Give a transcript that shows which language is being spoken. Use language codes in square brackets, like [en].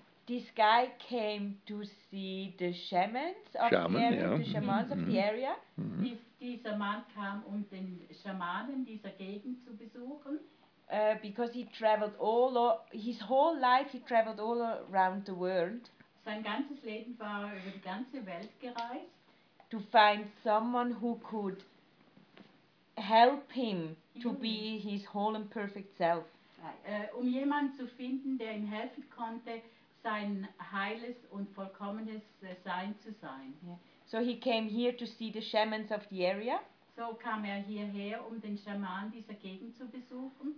[en] This guy came to see the shamans of the area. Mm-hmm. [de] Dieser Mann kam, um den Schamanen dieser Gegend zu besuchen. [en] Because he traveled his whole life he traveled all around the world. [de] Sein ganzes Leben war über die ganze Welt gereist. [en] To find someone who could help him to be his whole and perfect self. [de] Um jemanden zu finden, der ihm helfen konnte, sein heiles und vollkommenes Sein zu sein. [en] Yeah. So he came here to see the shamans of the area. [de] So kam hierher, um den Schaman dieser Gegend zu besuchen.